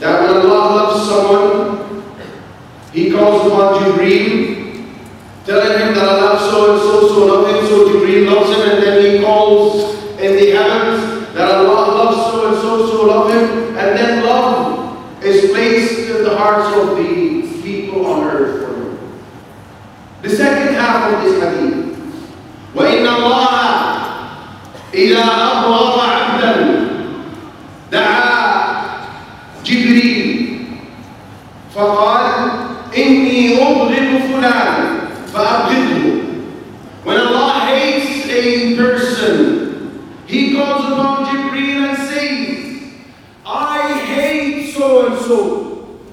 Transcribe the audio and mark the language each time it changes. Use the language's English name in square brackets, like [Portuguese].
[English] That when Allah loves someone, He calls upon Jibreel, telling him that Allah so and so so loves him, so Jibreel loves him, and then he calls in the heavens that Allah loves so and so so loves him, and then love is placed in the hearts of the people on earth for him. The second half of this hadith, [Arabic] وَإِنَّ اللَّهَ إِلَىٰ أَبْغَضَ عَبْدًا دَعَىٰ جِبْرِيلٍ فَقَالَ إِنِّي أُبْغِضُ فُلَانًا فَأَبْغِضُهُ. [English] When Allah hates a person, He calls upon Jibreel and says, I hate so and so.